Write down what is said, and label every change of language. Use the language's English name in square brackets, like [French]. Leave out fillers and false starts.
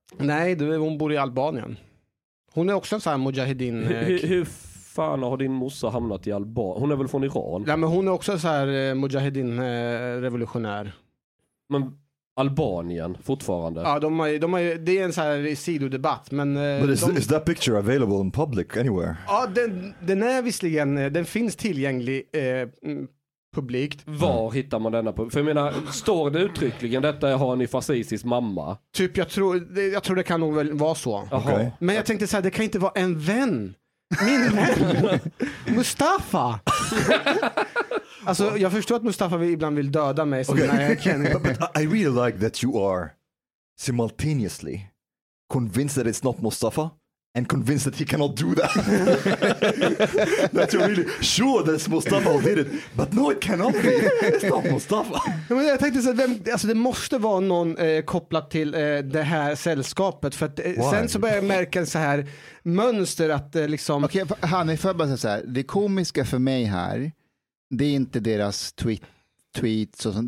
[Swedish] Nej, hon bor i Albanien. Hon är också en sån här mujahedin. Hur fan har din morsa hamnat i Albanien? Hon är väl från Iran? Ja, men hon är också en sån här mujahedin revolutionär. Men Albanien fortfarande? Ja, de har, det är en sån här sidodebatt. Men [English] is that picture available in public anywhere? [Swedish] Ja, den är visserligen, den finns tillgänglig publikt. Var hittar man denna? För jag menar, står det uttryckligen detta har ni fascistisk mamma? Typ, jag tror det kan nog väl vara så. Okay. Men jag tänkte så här, det kan inte vara en vän. Min vän. Mustafa. Alltså, jag förstår att Mustafa ibland vill döda mig. Okay. Så, [English] but I really like that you are simultaneously convinced that it's not Mustafa. And convinced that he cannot do that. That you're really sure that Mustafa did it. But no, it cannot be. It's not Mustafa. [Swedish] Ja, men jag tänkte så att det måste vara någon kopplat till det här sällskapet. För att, sen så börjar jag märka en så här mönster att liksom... Okej, Hanif, får jag bara säga så här. Det komiska för mig här, det är inte deras tweets och sånt.